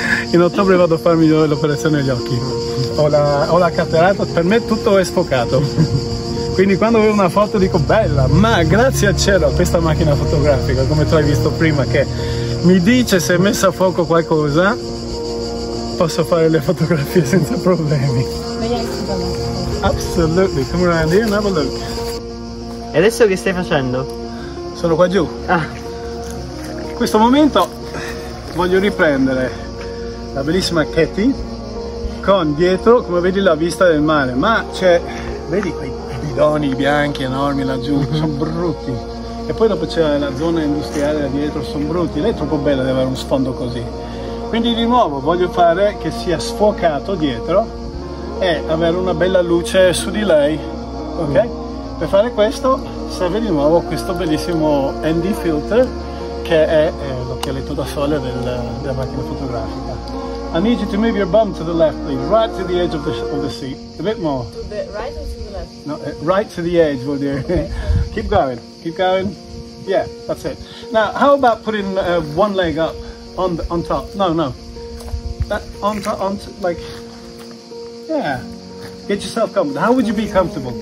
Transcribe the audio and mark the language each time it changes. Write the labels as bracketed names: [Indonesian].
[Italian] In ottobre vado a farmi l'operazione agli occhi. Ho la cataratta, per me tutto è sfocato. Quindi quando vedo una foto dico bella, ma grazie al cielo questa macchina fotografica, come tu hai visto prima, che mi dice se è messa a fuoco qualcosa, posso fare le fotografie senza problemi. [English] Absolutely, come around here and have a look. [Italian] E adesso che stai facendo? Sono qua giù. Ah. In questo momento voglio riprendere la bellissima Katie con dietro, come vedi, la vista del mare, ma c'è, vedi quei bidoni bianchi enormi laggiù, sono brutti. E poi dopo c'è la zona industriale da dietro, sono brutti. Lei è troppo bella di avere un sfondo così. Quindi di nuovo voglio fare che sia sfocato dietro e avere una bella luce su di lei, ok? Per fare questo serve di nuovo questo bellissimo ND filter, che è l'occhialetto da sole della macchina fotografica. [English] I need you to move your bum to the left, please, right to the edge of the seat. A bit more. To the right or to the left? No, right to the edge, will you? Okay. Keep going. Keep going. Yeah, that's it. Now, how about putting one leg up on the, on top? No, no. That on top, like, yeah. Get yourself comfortable. How would you be comfortable?